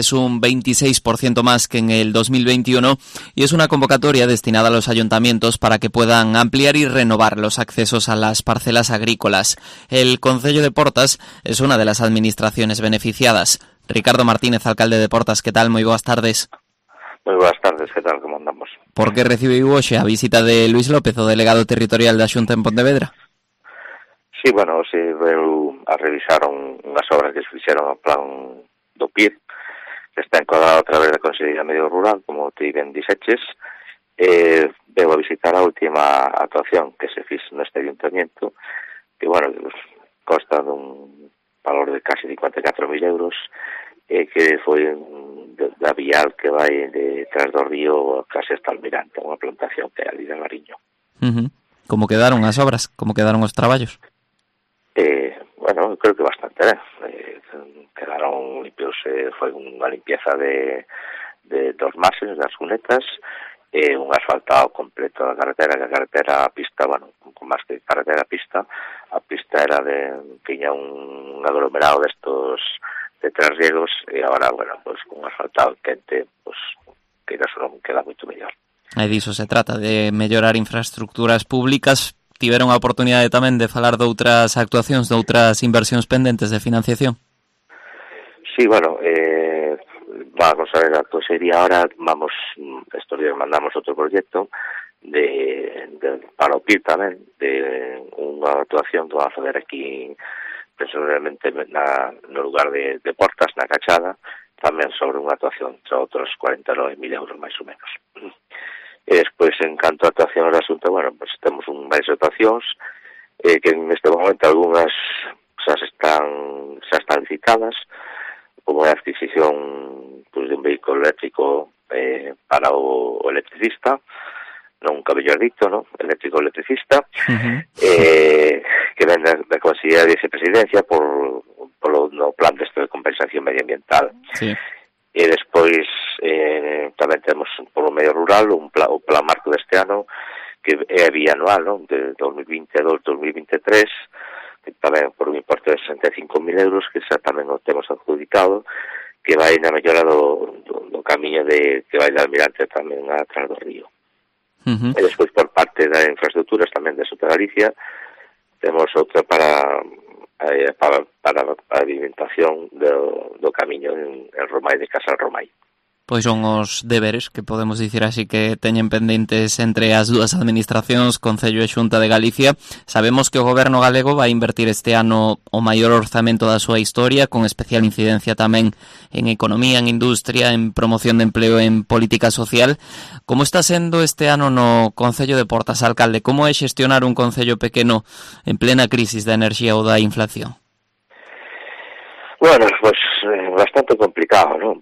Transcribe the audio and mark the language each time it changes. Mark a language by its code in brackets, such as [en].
[es] Es un 26% más que en el 2021 y es una convocatoria destinada a los ayuntamientos para que puedan ampliar y renovar los accesos a las parcelas agrícolas. El Concello de Portas es una de las administraciones beneficiadas. Ricardo Martínez, alcalde de Portas, ¿qué tal? Muy buenas tardes. Muy buenas tardes, ¿qué tal? ¿Cómo andamos? [gl] ¿Por qué recibió hoxe a visita de Luis López, o delegado territorial de la Xunta en Pontevedra? Sí, bueno, se veu a revisar unhas obras que se fixeron ao plan do PIR, que está encuadrado a través da Consellería Medio Rural, como ti ben dixeches, veu a visitar a última actuación que se fixe neste ayuntamiento, que, bueno, consta dun valor de casi 54.000 euros, que foi da vial que vai detrás do río casi hasta Almirante, unha plantación que é ali de Mariño. Como quedaron as obras? Como quedaron os traballos? [es] Bueno, creo que bastante, ¿eh? Quedaron limpios, fue una limpieza de dos mases, de las cunetas, un asfaltado completo de la carretera a pista, bueno, más que carretera a pista, a pista era de, tenía un aglomerado de estos de trasriegos, y ahora, bueno, pues un asfaltado quente, pues que ya solo queda mucho mejor. Ahí dicho, se trata de mellorar infraestructuras públicas. [gl] Tiveron a oportunidade tamén de falar de outras actuacións, de outras inversións pendentes de financiación? Sí, bueno, vamos a ver a consellería ahora, [es] vamos, estos días mandamos [gl] outro proxecto de para o PIR tamén, de unha actuación que vamos a fazer aquí, presumiblemente no lugar de Portas, na Cachada, tamén sobre unha actuación, entre outros 49.000 euros, máis ou menos. E despois, en canto a actuación do asunto, bueno, pues temos varias actuacións que en este momento algunas xa están licitadas, como a adquisición pues, de un vehículo eléctrico para o electricista, nunca mellor dito, ¿no? Eléctrico-electricista, que ven da Consellería de Vicepresidencia por o no plan de compensación medioambiental. Sí. E despois, tamén temos por o medio rural o plan marco deste ano, que é bianual, ¿no? De 2022-2023, tamén por un importe de 65.000 euros, que xa tamén o temos adjudicado, que vai na mellora do camiño de que vai de Almirante tamén atrás do río. E despois, por parte das infraestructuras tamén de Sota Galicia, temos outra para a alimentación do camiño en Romai, de Casal Romai. Pois son os deberes, que podemos dicir así, que teñen pendentes entre as dúas administracións, Concello e Xunta de Galicia. Sabemos que o goberno galego vai invertir este ano o maior orzamento da súa historia, con especial incidencia tamén en economía, en industria, en promoción de empleo, en política social. Como está sendo este ano no Concello de Portas, alcalde? Como é xestionar un concello pequeno en plena crisis da enerxía ou da inflación? [es] Bueno, pues bastante complicado, ¿no?